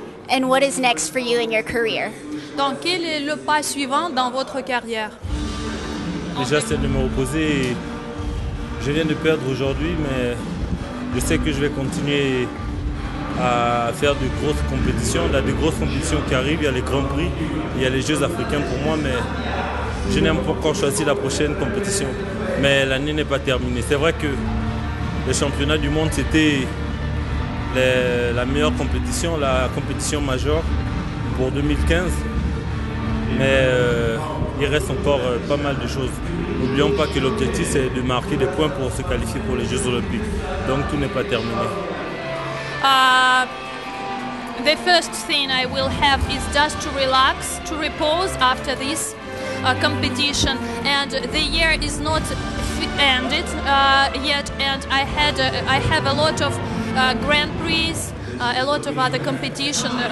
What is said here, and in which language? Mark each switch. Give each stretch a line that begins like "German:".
English: And what is next for you in your career?
French: Donc, quel est le pas suivant dans votre carrière? Déjà, c'est de me reposer. Je viens de perdre aujourd'hui, mais je sais que je vais continuer à faire de grosses compétitions. Il y a de grosses compétitions qui arrivent. Il y a les Grands Prix, il y a les Jeux africains pour moi, mais je n'ai pas encore choisi la prochaine compétition. Mais l'année n'est pas terminée. C'est vrai que le championnat du monde, c'était la meilleure compétition, la compétition majeure pour 2015, mais il reste encore pas mal de choses. N'oublions pas que l'objectif c'est de marquer des points pour se qualifier pour les Jeux Olympiques, donc tout n'est pas terminé.
English: The first thing I will have is just to relax, to repose after this competition, and the year is not ended yet, and I have a lot of Grand Prix, a lot of other competition.